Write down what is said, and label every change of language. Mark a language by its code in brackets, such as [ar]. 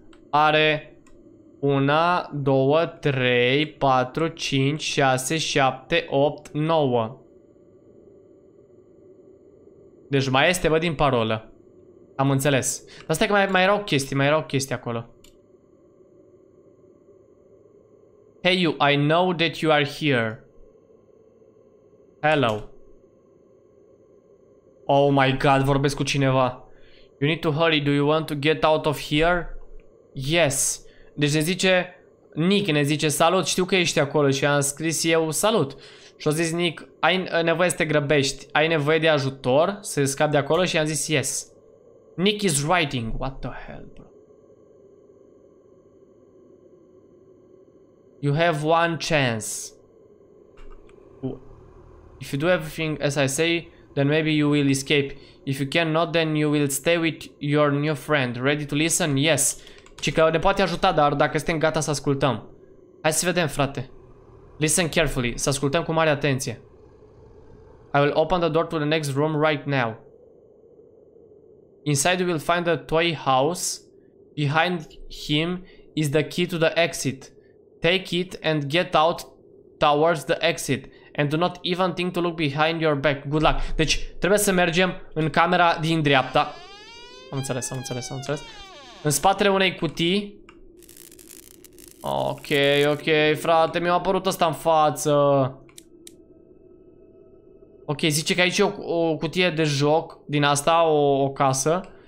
[ro] Are 1, 2, 3, 4, 5, 6, 7, 8, 9. Deci mai este, bă, din parolă. Am înțeles. Dar stai că mai erau chestii, mai erau chestii acolo. [en] Hey you, I know that you are here. Hello. [ro] Oh my god, vorbesc cu cineva. [en] You need to hurry, do you want to get out of here? Yes. [ro] Deci ne zice, Nick ne zice, salut, știu că ești acolo și am scris eu, salut. Și a zis Nick, ai nevoie să te grăbești, ai nevoie de ajutor să scapi de acolo și am zis yes. [en] Nick is writing, what the hell, bro. You have one chance. If you do everything as I say, then maybe you will escape. If you cannot, then you will stay with your new friend. Ready to listen? Yes. [ro] Ci că ne poate ajuta, dar dacă suntem gata să ascultăm. Hai să vedem, frate. [en] Listen carefully. [ro] Să ascultăm cu mare atenție. [en] I will open the door to the next room right now. Inside you will find a toy house. Behind him is the key to the exit. Take it and get out towards the exit. And do not even think to look behind your back. Good luck. [ro] Deci trebuie să mergem în camera din dreapta. Am înțeles. În spatele unei cutii. Ok, frate, mi-a apărut ăsta în față. Ok, zice că aici e o cutie de joc, din asta, o casă.